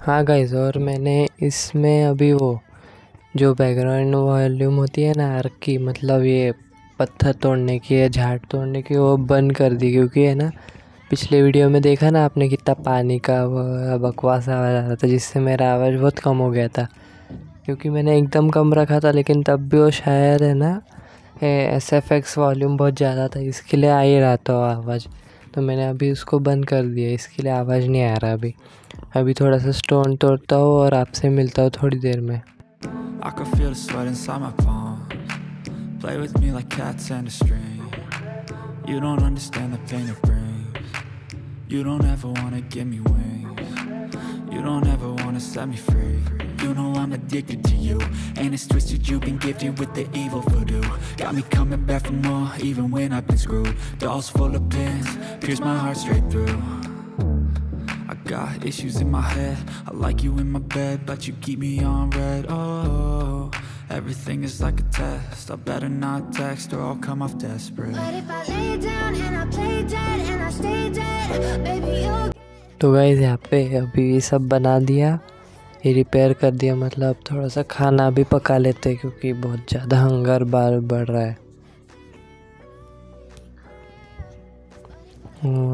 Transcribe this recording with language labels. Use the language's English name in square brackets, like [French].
[Hindi] हाँ गाइस, और मैंने इसमें अभी वो जो बैकग्राउंड वॉल्यूम होती है ना आर्क की, मतलब ये पत्थर तोड़ने की या झाड़ तोड़ने की, वो बंद कर दी, क्योंकि है ना पिछले वीडियो में देखा ना आपने कितना पानी का बकवास आवाज़ आ रहा था, जिससे मेरा आवाज़ बहुत कम हो गया था, क्योंकि मैंने एकदम कम रखा था, लेकिन तब भी वो शायद है ना SFX वॉल्यूम बहुत ज़्यादा था, इसके लिए आ ही रहा था आवाज़। तो मैंने अभी उसको बंद कर दिया, इसके लिए आवाज़ नहीं आ रहा अभी। अभी थोड़ा सा स्टोन तोड़ता हूँ और आपसे मिलता हूँ थोड़ी देर में। [English] I can feel the sweat inside my palms. Play with me like cats and a string. You don't understand the pain it brings. You don't ever wanna give me wings. You don't ever wanna set me free. You know I'm addicted to you, and it's twisted, you've been gifted with the evil voodoo. Got me coming back for more, even when I've been screwed. Dolls full of pins, pierce my heart straight through. Got issues in my head, I like you in my bed, but you keep me on red. Oh, everything is like a test, I better not text or I'll come off desperate. But if I lay down and I play dead and I stay dead, baby you'll get... [Hindi] तो guys यहाँ पे अभी ये सब बना दिया, ये repair कर दिया, मतलब थोड़ा सा खाना भी पका लेते हैं, क्योंकि बहुत ज़्यादा हंगर बार बढ़ रहा है।